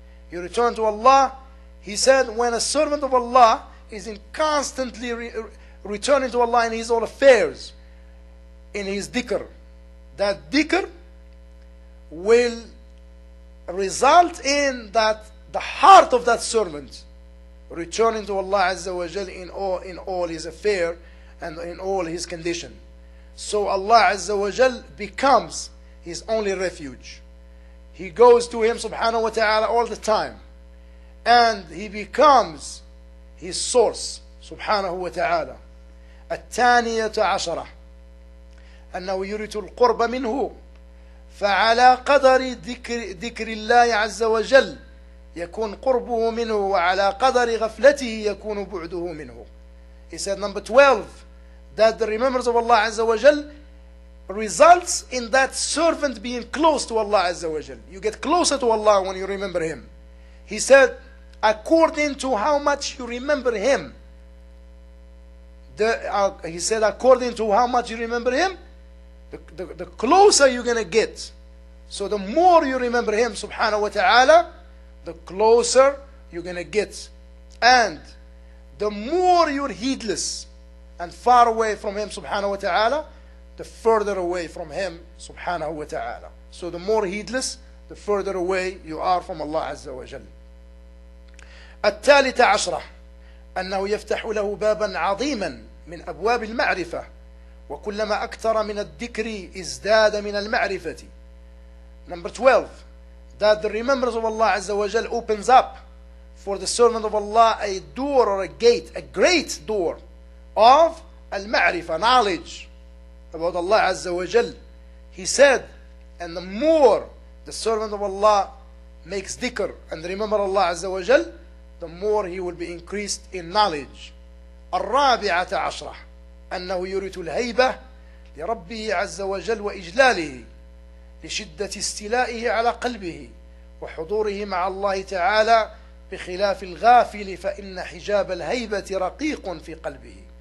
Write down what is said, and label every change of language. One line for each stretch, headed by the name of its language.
English: You return to Allah, he said, when a servant of Allah is in constantly returning to Allah in his all affairs, in his dhikr, that dhikr will result in that the heart of that servant returning to Allah Azza wa Jal in all his affair and in all his condition. So Allah Azza wa Jal becomes his only refuge. He goes to him subhanahu wa ta'ala all the time. And he becomes his source subhanahu wa ta'ala.
Arabic: الثانية عشرة أنه يريد القرب منه فعلى قدر ذكر الله عز وجل يكون قربه منه وعلى قدر غفلته يكون بعده منه.
English: He said number 12 that the remembrance of Allah عز وجل results in that servant being close to Allah عز وجل. You get closer to Allah when you remember him. He said according to how much you remember him. He said, according to how much you remember him, the closer you're going to get. So the more you remember him, subhanahu wa ta'ala, the closer you're going to get. And the more you're heedless and far away from him, subhanahu wa ta'ala, the further away from him, subhanahu wa ta'ala. So the more heedless, the further away you are from Allah Azza wa Jal.
Arabic: الثالثة عشرة أنه يفتح له بابا عظيما من أبواب المعرفة وكلما أكثر من الذكر ازداد من المعرفة.
English: Number 12 that the remembrance of Allah عز وجل opens up for the servant of Allah a door or a gate, a great door of المعرفة, knowledge about Allah عز وجل. He said and the more the servant of Allah makes dhikr and remember Allah عز وجل the more he will be increased in knowledge.
Arabic: الرابعة عشرة أنه يريد الهيبة لربه عز وجل وإجلاله لشدة استيلائه على قلبه وحضوره مع الله تعالى بخلاف الغافل فإن حجاب الهيبة رقيق في قلبه.